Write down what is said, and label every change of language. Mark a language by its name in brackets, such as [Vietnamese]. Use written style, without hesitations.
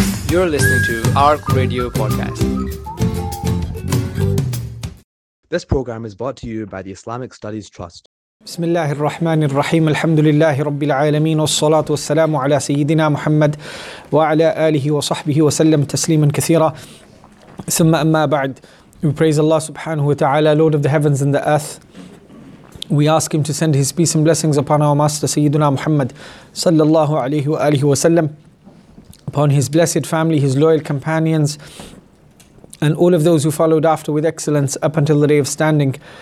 [English] You're listening to ARC Radio Podcast. This program is brought to you by the Islamic Studies Trust. [Arabic] بسم الله الرحمن الرحيم الحمد لله رب العالمين والصلاة والسلام على سيدنا محمد وعلى آله وصحبه وسلم تسليما كثيرا ثم أما بعد. [English] We praise Allah subhanahu wa ta'ala, Lord of the heavens and the earth. We ask Him to send His peace and blessings upon our Master Sayyiduna Muhammad sallallahu alayhi wa alihi wa sallam, upon His blessed family, His loyal companions, and all of those who followed after with excellence up until the day of standing.